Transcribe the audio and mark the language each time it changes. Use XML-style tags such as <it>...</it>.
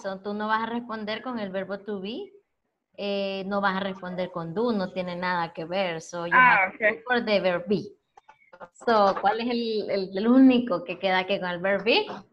<es>So tú no vas a responder con el verbo to be. No vas a responder con do, no tiene nada que ver.</es> <en>So you have to look for the verb be.</en> <es>So, ¿cuál es el único que queda aquí con el verb be?</es>